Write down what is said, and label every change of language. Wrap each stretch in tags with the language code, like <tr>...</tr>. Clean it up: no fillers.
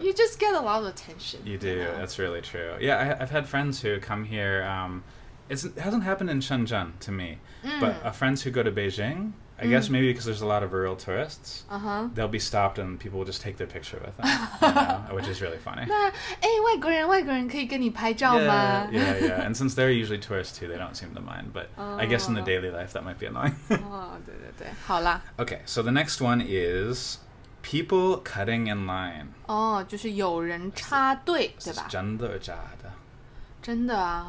<en>You just get a lot of attention. You do. You know? That's really true. Yeah, I've had friends who come here. It hasn't happened in Shenzhen to me, but friends who go to Beijing, I guess maybe because there's a lot of rural tourists, uh-huh. they'll be stopped and people will just take their picture with them, you know, which is really funny.</en> <zh>那, 诶, 外国人, 外国人可以跟你拍照吗?</zh> <en>Yeah. And since they're usually tourists too, they don't seem to mind. But I guess in the daily life, that might be annoying.</en> <zh>哦,对对对,好啦。</zh> <en>Okay, so the next one is people cutting in line.</en> <zh>哦,就是有人插队,对吧?</zh> <en>Is it</en> <zh>真的假的? 真的啊?</zh>